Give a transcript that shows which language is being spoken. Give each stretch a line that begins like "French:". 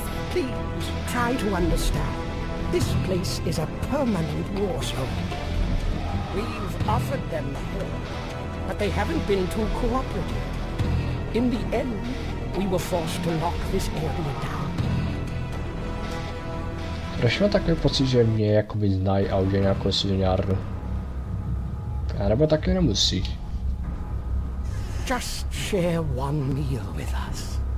English: Please, try to understand. This place is a permanent war zone. We've offered them help, but they haven't been too cooperative. In the end, we were forced to lock this area down.
Czech: Proč mám takový pocit, že mě jakoby znají a už je nějakou sviňárnu? A nebo taky nemusí.
English: Just share one meal with us.